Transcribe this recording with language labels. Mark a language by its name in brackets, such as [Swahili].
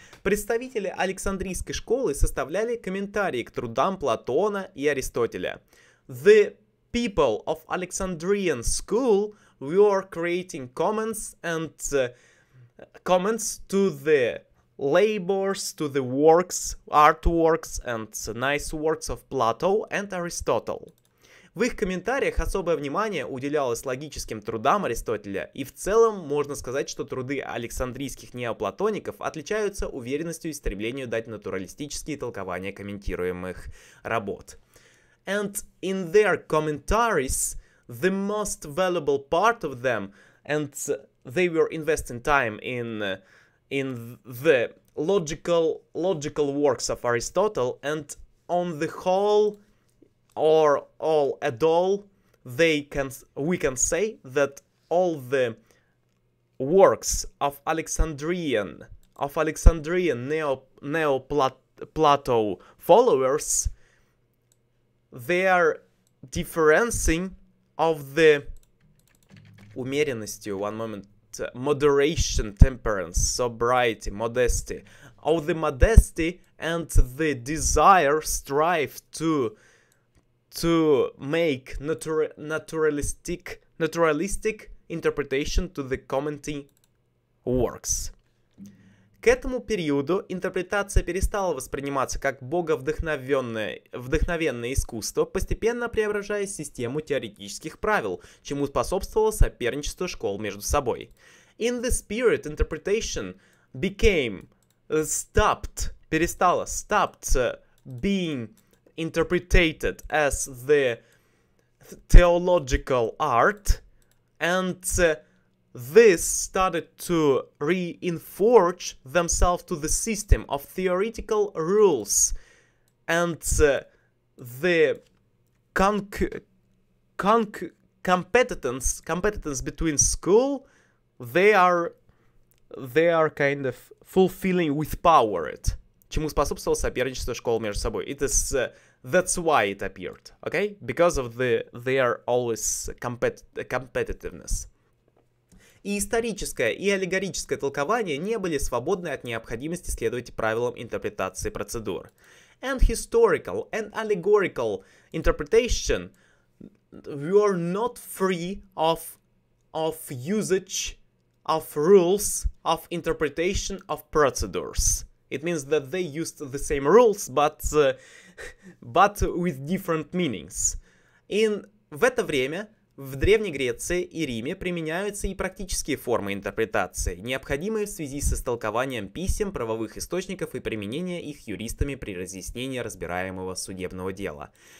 [Russian] Представители Александрийской школы составляли комментарии к трудам Платона и Аристотеля. [English] The people of Alexandrian school were creating comments and comments to the labors, to the works, artworks and nice works of Plato and Aristotle. [Russian] В их комментариях особое внимание уделялось логическим трудам Аристотеля, и в целом можно сказать, что труды александрийских неоплатоников отличаются уверенностью и стремлением дать натуралистические толкования комментируемых работ. [English] And in their commentaries, the most valuable part of them, and they were investing time in the logical works of Aristotle, and on the whole, or all at all, we can say that all the works of Alexandrian Neoplato followers, they are differencing of the [Russian] умеренностью, [English] one moment, moderation, temperance, sobriety, modesty, of the modesty and the desire, strive to make naturalistic interpretation to the commenting works. [Russian] К этому периоду интерпретация перестала восприниматься как боговдохновенное искусство, постепенно преображая систему теоретических правил, чему способствовало соперничество школ между собой. [English] In the spirit, interpretation became [Russian] перестала [English] being interpreted as the theological art, and this started to reinforce themselves to the system of theoretical rules and the competitance between school, they are kind of fulfilling with power it. [Russian] Чему способствовало соперничество школ между собой. [English] It is, that's why it appeared, okay? Because of their always competitiveness. [Russian] И историческое, и аллегорическое толкование не были свободны от необходимости следовать правилам интерпретации процедур. [English] And historical and allegorical interpretation were not free of usage of rules of interpretation of procedures. It means that they used the same rules, but with different meanings. [Russian] В это время в Древней Греции и Риме применяются и практические формы интерпретации, необходимые в связи с истолкованием писем, правовых источников и применение их юристами при разъяснении разбираемого судебного дела.